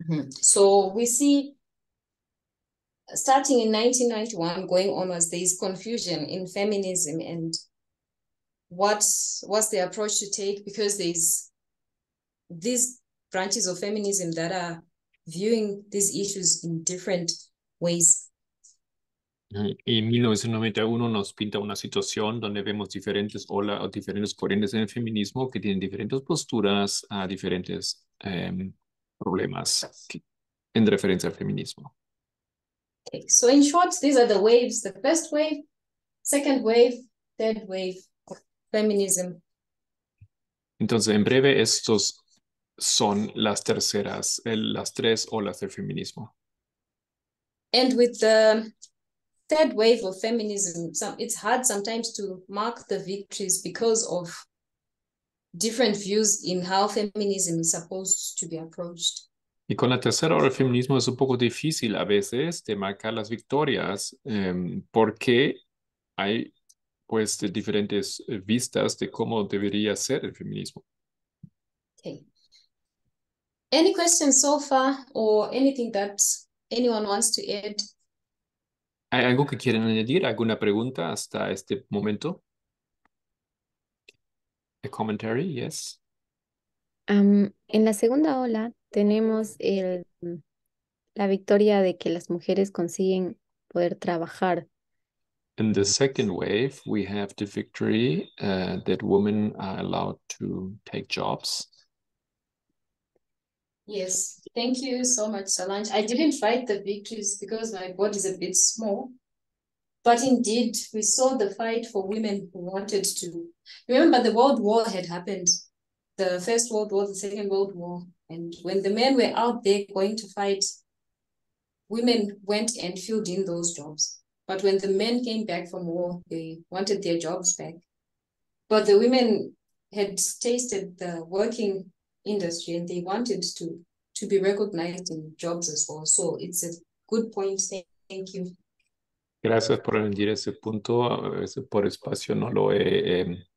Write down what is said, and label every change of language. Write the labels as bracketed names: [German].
[English] So we see, starting in 1991, going onwards, there is confusion in feminism and what's the approach to take, because there's these branches of feminism that are viewing these issues in different ways. [Spanish] Y 1991 nos pinta una situación donde vemos diferentes olas o diferentes corrientes en el feminismo que tienen diferentes posturas a diferentes problemas en referencia al feminismo. [English] Okay. So in short, these are the waves, the first wave, second wave, third wave of feminism. [Spanish] Entonces, en breve, estos son las terceras, las tres olas del feminismo. [English] And with the third wave of feminism, it's hard sometimes to mark the victories because of different views in how feminism is supposed to be approached. [Spanish] Y con la tercera ola del feminismo es un poco difícil a veces de marcar las victorias porque hay pues de diferentes vistas de cómo debería ser el feminismo. [English] Okay. Any questions so far or anything that anyone wants to add? [Spanish] ¿Hay algo que quieren añadir? ¿Alguna pregunta hasta este momento? [English] A commentary, yes. [Spanish] En la segunda ola tenemos la victoria de que las mujeres consiguen poder trabajar. [English] In the second wave, we have the victory that women are allowed to take jobs. Yes, thank you so much, Solange. I didn't write the victories because my body is a bit small. But indeed, we saw the fight for women who wanted to. Remember, the World War had happened. The First World War, the Second World War. And when the men were out there going to fight, women went and filled in those jobs. But when the men came back from war, they wanted their jobs back. But the women had tasted the working industry and they wanted to be recognized in jobs as well. So it's a good point. Thank you. [Spanish] Gracias por añadir ese punto. A veces por espacio no lo he